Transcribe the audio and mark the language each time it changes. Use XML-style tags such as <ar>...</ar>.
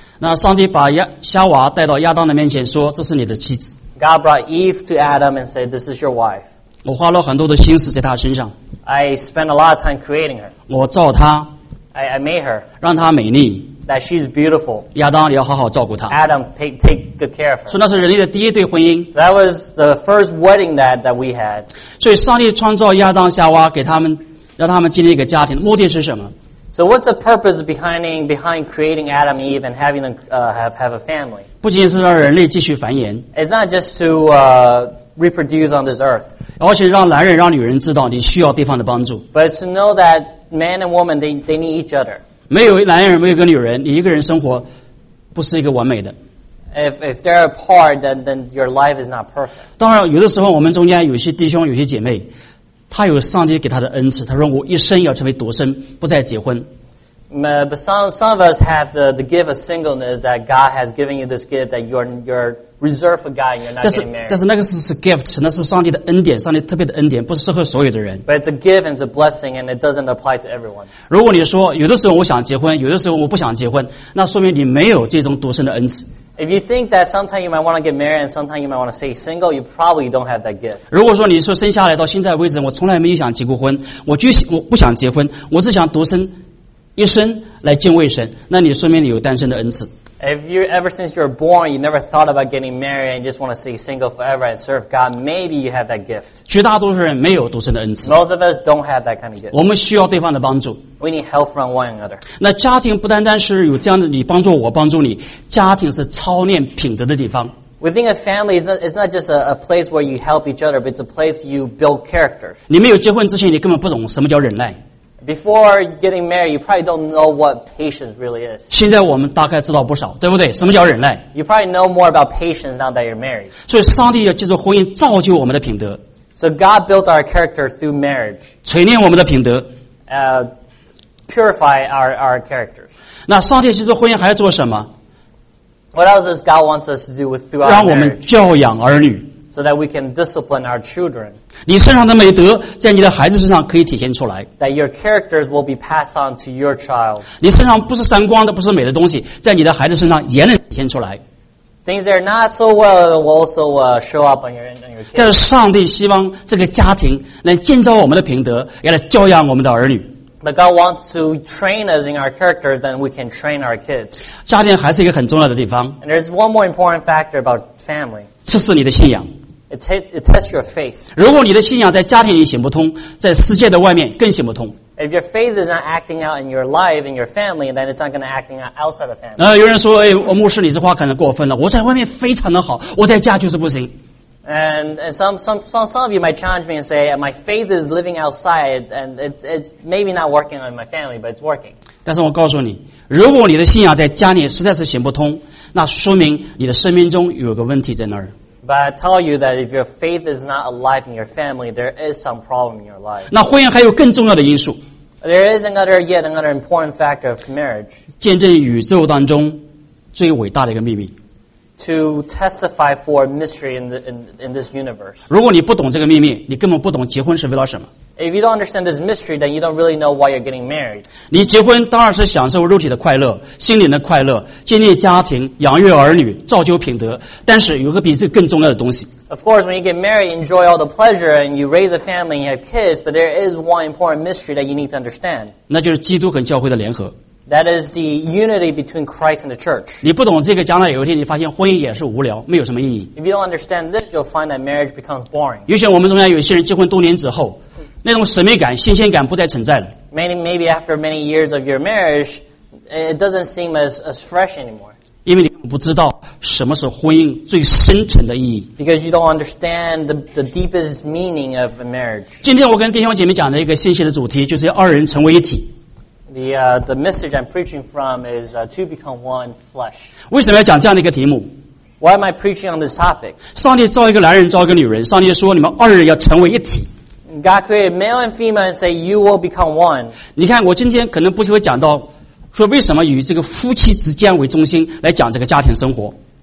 <zh>那上帝把夏娃带到亚当的面前说，这是你的妻子。</zh> <en>God brought Eve to Adam and said, this is your wife.</en> <zh>我花了很多的心思在她身上。</zh> <en>I spent a lot of time creating her.</en> <zh>我造她。</zh> <en>I made her.</en> <zh>让她美丽。</zh> <en>That she's beautiful.</en> <zh>亚当你要好好照顾她。</zh> <en>Adam, take good care of her.</en> <zh>所以那是人类的第一对婚姻。</zh> <en>That was the first wedding that we had.</en> <zh>所以上帝创造亚当夏娃给他们，让他们建立一个家庭，目的是什么？</zh> <en>So what's the purpose behind creating Adam and Eve and having them have a family?</en> <zh>不仅是让人类继续繁衍。</zh> <en>It's not just to reproduce on this earth.</en> <zh>而且让男人让女人知道你需要对方的帮助。</zh> <en>But it's to know that man and woman they need each other.</en> <zh>没有男人，没有个女人，你一个人生活不是一个完美的。</zh> <en>If they're apart, then your life is not perfect.</en> <zh>当然，有的时候我们中间有些弟兄、有些姐妹，他有上帝给他的恩赐，他说我一生要成为独身，不再结婚。</zh> <en>But some of us have the gift of singleness that God has given you this gift that you're reserved for God and you're not getting married.</en> <zh>但是那个是 gift， 那是上帝的恩典，上帝特别的恩典，不适合所有的人。</zh> <en>But it's a gift and it's a blessing and it doesn't apply to everyone.</en> <zh>如果你说有的时候我想结婚，有的时候我不想结婚，那说明你没有这种独身的恩赐。</zh> <en>If you think that sometimes you might want to get married and sometimes you might want to stay single, you probably don't have that gift.</en> <zh>如果说你说生下来到现在为止，我从来没有想结过婚，我不想结婚，我只想独身。一生来敬畏神，那你说明你有单身的恩赐。</zh> <en>If you ever since you were born, you never thought about getting married and just want to stay single forever and serve God, maybe you have that gift.</en> <zh>绝大多数人没有独身的恩赐。</zh> <en>Most of us don't have that kind of gift.</en> <zh>我们需要对方的帮助。</zh> <en>We need help from one another.</en> <zh>那家庭不单单是有这样的你帮助我帮助你，家庭是操练品德的地方。</zh> <en>Within a family, it's not just a place where you help each other, but it's a place you build character.</en> <zh>你没有结婚之前，你根本不懂什么叫忍耐。</zh> <en>Before getting married, you probably don't know what patience really is.</en> <zh>现在我们大概知道不少，对不对？什么叫忍耐？</zh> <en>You probably know more about patience now that you're married.</en> <zh>所以上帝要借助婚姻造就我们的品德。</zh> <en>So God builds our character through marriage.</en> <zh>锤炼我们的品德。</zh> <en>Purify our characters.</en> <zh>那上帝借助婚姻还要做什么？</zh> <en>What else does God want us to do with through our marriage?</en> <zh>让我们教养儿女。</zh> <en>So that we can discipline our children.</en> <zh>你身上的美德在你的孩子身上可以体现出来。</zh> <en>That your characters will be passed on to your child.</en> <zh>你身上不是闪光的，不是美的东西，在你的孩子身上也能体现出来。</zh> <en>Things that are not so well will also show up on your kids.</en> <zh>但是上帝希望这个家庭能建造我们的品德，也来教养我们的儿女。</zh> <en>But God wants to train us in our characters, then we can train our kids.</en> <zh>家庭还是一个很重要的地方。</zh> <en>And there's one more important factor about family.</en> <zh>这是你的信仰。</zh> <en>It tests your faith.</en> <zh>如果你的信仰在家庭里行不通，在世界的外面更行不通。</zh> <en>If your faith is not acting out in your life, in your family, then it's not going to acting out outside the family.</en> <zh>有人说，哎，牧师，你这话可能过分了。我在外面非常的好，我在家就是不行。</zh> <en>And some of you might challenge me and say, my faith is living outside, and it's maybe not working on my family, but it's working.</en> <zh>但是我告诉你，如果你的信仰在家里实在是行不通，那说明你的生命中有个问题在那儿。</zh> <en>But I tell you that if your faith is not alive in your family, there is some problem in your life.</en> <zh>那婚姻还有更重要的因素。</zh> <en>There is another important factor of marriage.</en> <zh>见证宇宙当中最伟大的一个秘密。</zh> <en>To testify for mystery in this universe.</en> <zh>如果你不懂这个秘密，你根本不懂结婚是为了什么。</zh> <en>If you don't understand this mystery, then you don't really know why you're getting married.</en> <zh>你结婚当然是享受肉体的快乐、心灵的快乐、建立家庭、养育儿女、造就品德，但是有个比这更重要的东西。</zh> <en>Of course, when you get married, you enjoy all the pleasure and you raise a family and you have kids, but there is one important mystery that you need to understand.</en> <zh>那就是基督和教会的联合。</zh> <en>That is the unity between Christ and the church.</en> <zh>你不懂这个，将来有一天你发现婚姻也是无聊，没有什么意义。</zh> <en>If you don't understand this, you'll find that marriage becomes boring.</en> <zh>尤其我们中间有些人结婚多年之后，那种使命感、新鲜感不再存在了。</zh> <en>Maybe after many years of your marriage, it doesn't seem as fresh anymore.</en> <zh>因为你不知道什么是婚姻最深层的意义。</zh> <en>Because you don't understand the deepest meaning of a marriage.</en> <zh>今天我跟弟兄姐妹讲的一个信息的主题就是二人成为一体。</zh> <en>The message I'm preaching from is to become one flesh.</en> <zh>为什么要讲这样的一个题目？</zh> <en>Why am I preaching on this topic?</en> <zh>上帝造一个男人，造一个女人，上帝说你们二人要成为一体。</zh> <en>God created male and female and say you will become one.</en> <zh>你看，我今天可能不会讲到说为什么以这个夫妻之间为中心来讲这个家庭生活。</zh>